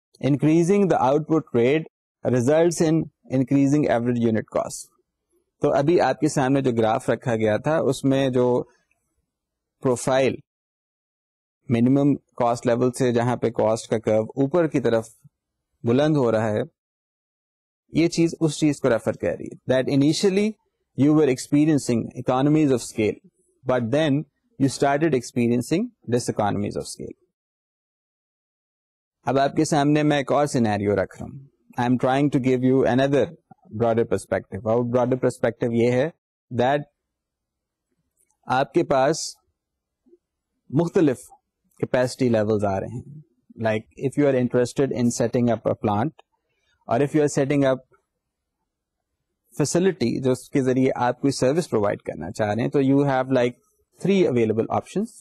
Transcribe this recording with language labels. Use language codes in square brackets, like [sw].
[en] Increasing the output rate results in increasing average unit cost. [ur] تو ابھی آپ کے سامنے جو گراف رکھا گیا تھا اس میں جو پروفائل منیمم کاسٹ لیول سے جہاں پہ کاسٹ کا کرو اوپر کی طرف بلند ہو رہا ہے, یہ چیز اس چیز کو ریفر کر رہی ہے [en] that initially you were experiencing economies of scale [ur] but then you started experiencing dish economies of scale. اب آپ کے سامنے میں ایک اور سینیریو رکھ رہا ہوں. [en] I am trying to give you another broader perspective. Our broader perspective [ur] یہ ہے that آپ کے پاس مختلف [en] capacity levels [ur] aa rahe hain. [en] Like if you are interested in setting up a plant or if you are setting up facility [ur] جو اس کے ذریعے آپ کوئی سروس پرووائڈ کرنا چاہ رہے ہیں [en] تو you have like three available options.